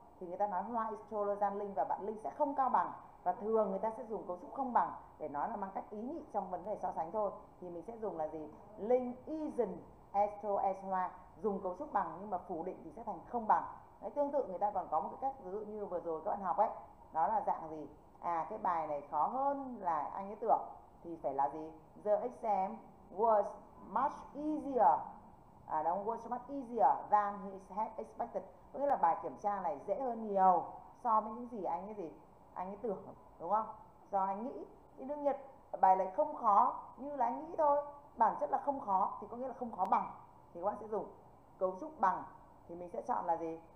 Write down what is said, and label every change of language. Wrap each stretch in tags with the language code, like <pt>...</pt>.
<vi>Thì người ta nói Hoa</vi> <en>is taller than Linh</en> <vi>và bạn Linh sẽ không cao bằng. Và thường người ta sẽ dùng cấu trúc không bằng để nói là mang cách ý nhị trong vấn đề so sánh thôi. Thì mình sẽ dùng là gì?</vi> <en>Linh isn't as tall as Hoa.</en> <vi>Dùng cấu trúc bằng nhưng mà phủ định thì sẽ thành không bằng. Đấy, tương tự người ta còn có một cái cách ví dụ như vừa rồi các bạn học ấy. Đó là dạng gì? À cái bài này khó hơn là anh ấy tưởng. Thì phải là gì?</vi> <en>The exam was much easier.</en> <vi>À đúng,</vi> <en>was much easier than he had expected.</en> <vi>Có nghĩa là bài kiểm tra này dễ hơn nhiều so với những gì anh ấy gì? Anh ấy tưởng, đúng không? Do anh nghĩ, thì đương nhiên bài này không khó như là anh nghĩ thôi. Bản chất là không khó thì có nghĩa là không khó bằng. Thì các bạn sẽ dùng cấu trúc bằng. Thì mình sẽ chọn là gì?</vi>